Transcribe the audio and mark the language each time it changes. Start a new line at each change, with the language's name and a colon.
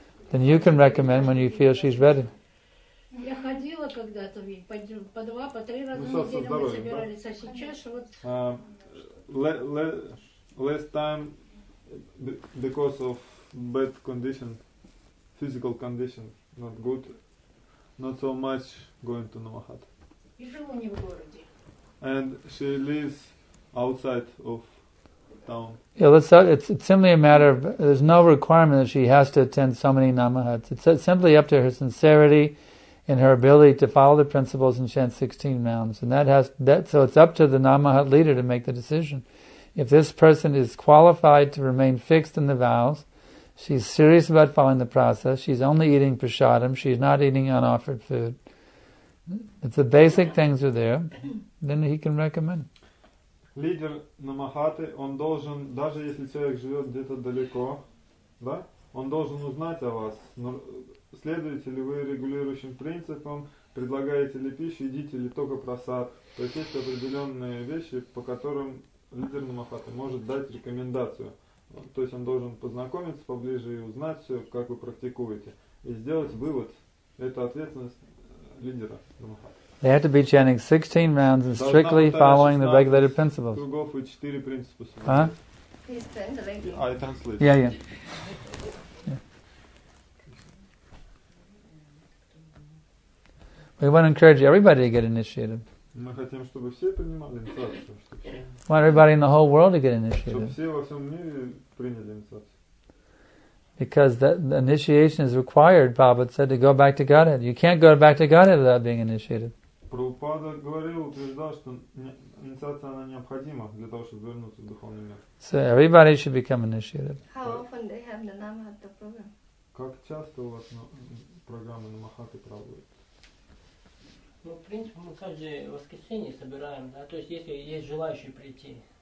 English: Then you can recommend when you feel she's ready.
Russian: Я ходила когда-то в по два, по три раза в неделю мы собирались, а сейчас вот.
English: Last time because of bad condition, physical condition, not good, not so much going to Новохад.
Russian: И живу не в городе.
English: And she lives outside of town. Yeah, it's simply a matter of, there's no requirement that she has to attend so many Namahats. It's simply up to her sincerity and her ability to follow the principles in Chant 16 Mounds. And so it's up to the Namahat leader to make the decision. If this person is qualified to remain fixed in the vows, she's serious about following the process, she's only eating prasadam, she's not eating unoffered food. If the basic things are there, then he can recommend.
Russian: Лидер намахаты, он должен, даже если человек живет где-то далеко, да, он должен узнать о вас. Следуете ли вы регулирующим принципам, предлагаете ли пищу, едите ли только просад. То есть есть определенные вещи, по которым лидер намахаты может дать рекомендацию. То есть он должен познакомиться поближе и узнать все, как вы практикуете. И сделать вывод. Это ответственность лидера намахаты.
English: They have to be chanting 16 rounds and strictly following the regulated principles.
Russian: Кругов и четыре принципа.
English: Huh? He's translating. I translate. Yeah, yeah. We want to encourage everybody to get initiated.
Russian: Мы хотим, чтобы все принимали инициацию.
English: We want everybody in the whole world to get initiated.
Russian: Чтобы все во всем мире приняли инициацию.
English: Because the initiation is required, Prabhupada said, to go back to Godhead. You can't go back to Godhead without being initiated.
Russian: Прабхупада говорил, утверждал, что инициация она необходима для того, чтобы вернуться в духовный мир.
English: So everybody should become initiated. How often they have the Namahata program?
Russian: Как часто у вас программы Намахаты проводят? Ну, в принципе, мы каждое воскресенье собираем, да, то есть если есть желающие прийти.